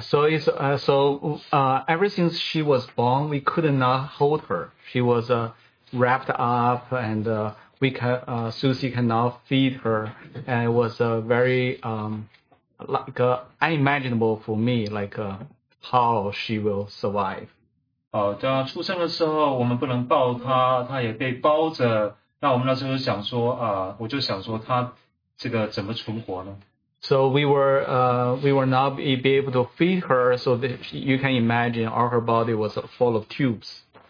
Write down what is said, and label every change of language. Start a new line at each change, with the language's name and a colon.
English: so ever since she was born, we could not hold her. She was a wrapped up, and Susie cannot feed her, and it was a very like unimaginable for me, like how she will survive.
Chinese: 她出生的时候我们不能抱她，她也被包着。那我们那时候想说，我就想说她这个怎么存活呢？
English: So we were not be able to feed her, so that you can imagine all her body was full of tubes.